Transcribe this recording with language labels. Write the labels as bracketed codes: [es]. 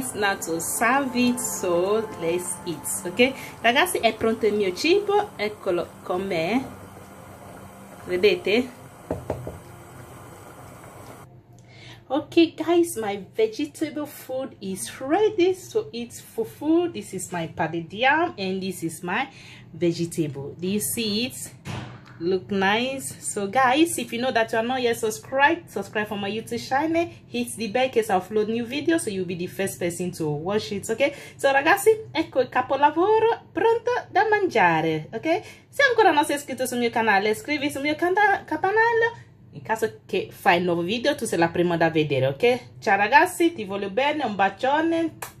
[en] It's now to serve it, so let's eat. [it] Okay ragazzi, è pronto il mio cibo, eccolo com'è, vedete? [en] Okay guys, my vegetable food is ready, so it's fufu. This is my padediam and this is my vegetable. Do you see it? Look nice. So guys, if you know that you are not yet subscribed, subscribe for my YouTube channel, hit the bell because I upload new videos, so you'll be the first person to watch it. [it] Okay, so ragazzi, ecco il capolavoro pronto da mangiare. Okay, se ancora non sei iscritto sul mio canale, iscriviti sul mio canale in caso che fai il nuovo video, tu sei la prima da vedere. Ok ciao ragazzi, ti voglio bene, un bacione.